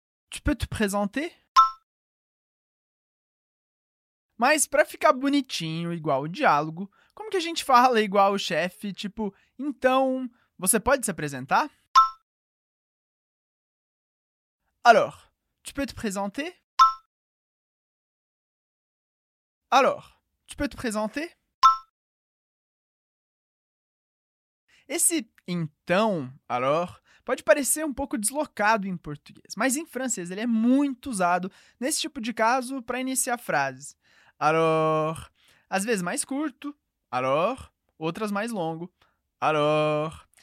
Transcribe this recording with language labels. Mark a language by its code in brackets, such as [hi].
[fr] Tu peux te présenter? [pt] Mas para ficar bonitinho, igual o diálogo, como que a gente fala igual o chefe, tipo, então, você pode se apresentar? [fr] Alors, tu peux te présenter? Alors, tu peux te présenter? [pt] Esse então, alors, pode parecer um pouco deslocado em português, mas em francês ele é muito usado nesse tipo de caso para iniciar frases. Alors, às vezes mais curto, alors, outras mais longo, alors.